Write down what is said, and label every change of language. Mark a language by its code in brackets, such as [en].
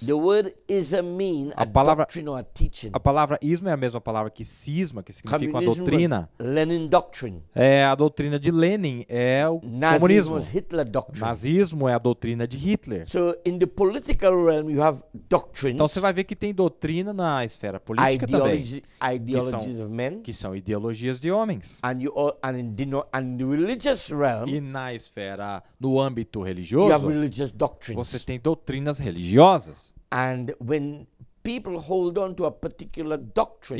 [en] The word ism mean a doctrine or a teaching. [pt] A palavra ismo é a mesma palavra que cisma, que significa uma doutrina. [en] Lenin doctrine. [pt] É a doutrina de Lenin, é o nazismo, comunismo. [en] Is Hitler doctrine. [pt] Nazismo é a doutrina de Hitler. [en] So in the political realm you have doctrines. [pt] Então você vai ver que tem doutrina na esfera política [en] ideologies [pt] também, [en] of men, [pt] que são ideologias de homens. [en] And in the religious realm, [pt] e na esfera, no âmbito religioso, [en] you have religious doctrines. [pt] Você tem doutrinas religiosas. [en] And when people hold on to a particular doctrine,